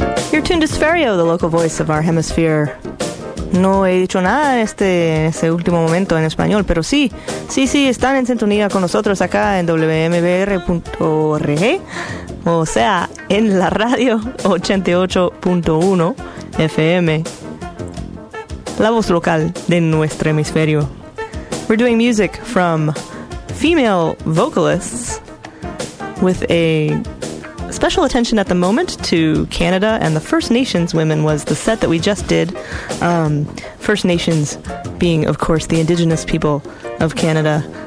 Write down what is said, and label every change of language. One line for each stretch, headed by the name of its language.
English: You're tuned to Sferio, the local voice of our hemisphere.
Spanish: No he dicho nada en este último momento en español, pero sí, están en sintonía con nosotros acá en WMBR.org, o sea, en la radio 88.1 FM, la voz local de nuestro hemisferio.
English: We're doing music from female vocalists with a special attention at the moment to Canada and the First Nations women was the set that we just did. First Nations being, of course, the Indigenous people of Canada.